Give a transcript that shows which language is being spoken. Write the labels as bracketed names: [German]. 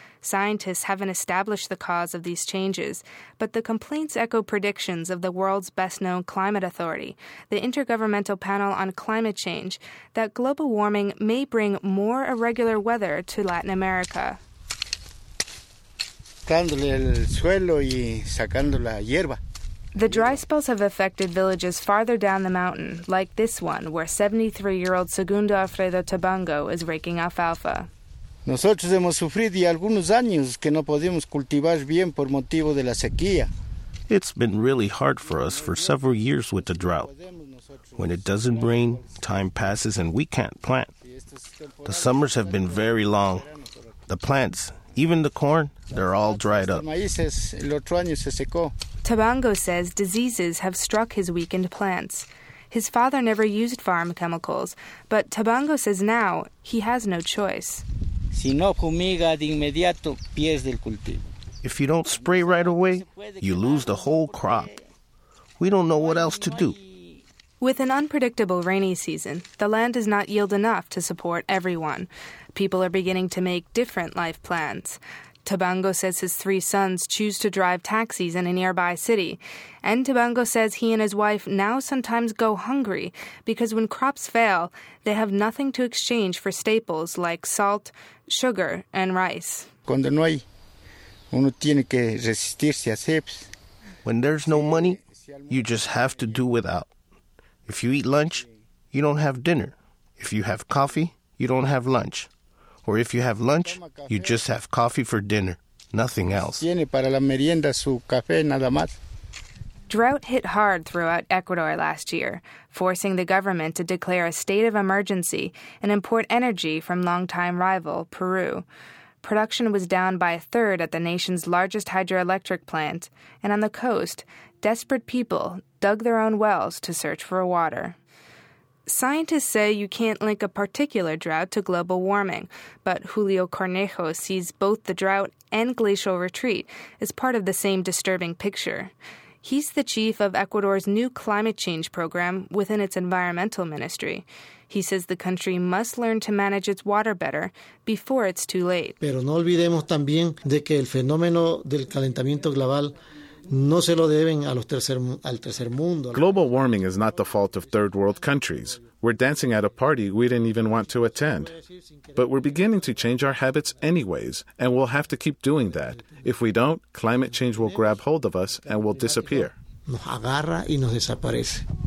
[English] Scientists haven't established the cause of these changes, but the complaints echo predictions of the world's best-known climate authority, the Intergovernmental Panel on Climate Change, that global warming may bring more irregular weather to Latin America. The dry spells have affected villages farther down the mountain, like this one, where 73-year-old Segundo Alfredo Tabango is raking alfalfa. [Spanish] Nosotros hemos sufrido ya algunos años que no podemos cultivar bien por motivo de la sequía. [English] It's been really hard for us for several years with the drought. When it doesn't rain, time passes and we can't plant. The summers have been very long. The plants, even the corn, they're all dried up. [Spanish] El otro año se secó. [English] Tabango says diseases have struck his weakened plants. His father never used farm chemicals, but Tabango says now he has no choice. If you don't spray right away, you lose the whole crop. We don't know what else to do. With an unpredictable rainy season, the land does not yield enough to support everyone. People are beginning to make different life plans. Tabango says his three sons choose to drive taxis in a nearby city. And Tabango says he and his wife now sometimes go hungry because when crops fail, they have nothing to exchange for staples like salt, sugar, and rice. [Spanish] Cuando no hay, uno tiene que resistirse a CEPS. [English] When there's no money, you just have to do without. If you eat lunch, you don't have dinner. If you have coffee, you don't have lunch. Or if you have lunch, you just have coffee for dinner, nothing else. [Spanish] Tiene para la merienda su café nada más. [English] Drought hit hard throughout Ecuador last year, forcing the government to declare a state of emergency and import energy from longtime rival Peru. Production was down by a third at the nation's largest hydroelectric plant, and on the coast, desperate people dug their own wells to search for water. Scientists say you can't link a particular drought to global warming, but Julio Cornejo sees both the drought and glacial retreat as part of the same disturbing picture. He's the chief of Ecuador's new climate change program within its environmental ministry. He says the country must learn to manage its water better before it's too late. [Spanish] Pero no olvidemos también de que el fenómeno del calentamiento global no se lo deben a los al tercer mundo. [English] Global warming is not the fault of third world countries. We're dancing at a party we didn't even want to attend. But we're beginning to change our habits anyways, and we'll have to keep doing that. If we don't, climate change will grab hold of us and we'll disappear. [Spanish] Nos agarra y nos desaparece.